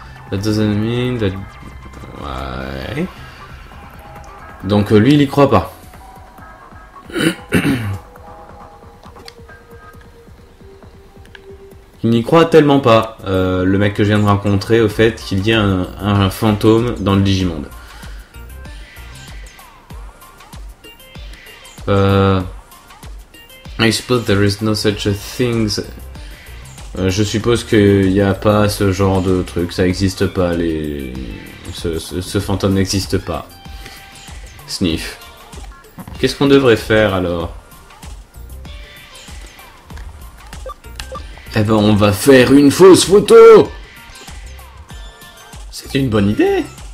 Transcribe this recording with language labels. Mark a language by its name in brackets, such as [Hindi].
[English] That doesn't mean that... [French] Ouais. Donc lui, il y croit pas. Il n'y croit tellement pas, le mec que je viens de rencontrer, au fait qu'il y ait un fantôme dans le Digimonde. [English] I suppose there is no such a thing. [French] Je suppose qu'il n'y a pas ce genre de truc, ça n'existe pas, ce fantôme n'existe pas. Sniff. Qu'est-ce qu'on devrait faire alors? Eh ben, on va faire une fausse photo! C'est une bonne idée!